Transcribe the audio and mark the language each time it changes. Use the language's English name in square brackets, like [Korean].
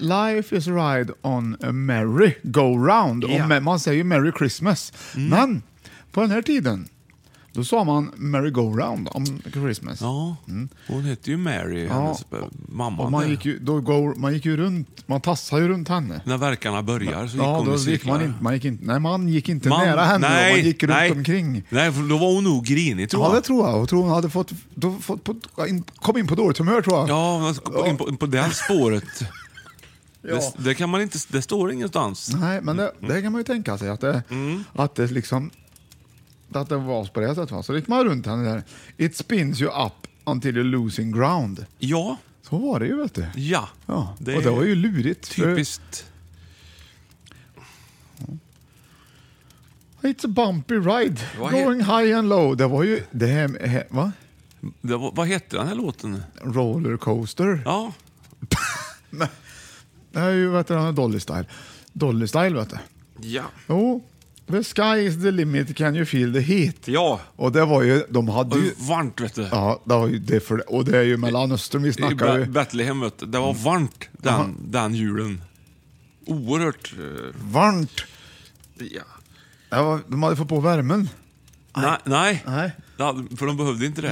[English] Life is a ride on a merry go-round. [Swedish] Yeah. Och man säger ju Merry Christmas. Mm. Men på den här tiden, då sa man Merry Go-Round om Christmas. Ja, mm. Hon hette ju Mary, ja. Hennes mamma. Och man gick ju, då går, man gick ju runt, man tassade ju runt henne. När verkarna börjar så gick hon i cirklar. Man inte, man gick inte nära henne, nej, man gick runt omkring. Nej, för då var hon nog grinig, tror jag. Ja, det tror jag. Och tror hon hade fått, kom in på dåligt humör, tror jag. Ja, in på det här spåret. Ja. Det kan man inte, det står ingenstans. Nej, men det kan man ju tänka sig att det liksom... Att det var på det sättet, va? Så gick man runt henne där. [English] It spins you up until you're losing ground. [Swedish] Ja. Så var det ju, vet du. Ja, ja. Det. Och det var ju lurigt. Typiskt. För... [English] It's a bumpy ride. Going high and low. [Swedish] Det var ju det här med, va? Det var, vad heter den här låten? Roller coaster. Ja. Det är ju, vet du, den här Dolly Style. Dolly Style, vet du. Ja. Jo. [English] The sky is the limit, can you feel the heat? [Swedish] Ja. Och det var ju, de hade ju... varmt, vet du. Ja, det var ju det för... Och det är ju Mellanöstern vi snackar ju. I Betlehem, vet du. Det var varmt den julen. Oerhört... Varmt. Ja. Det var, de hade fått på värmen. Nej. Ja, för de behövde inte det.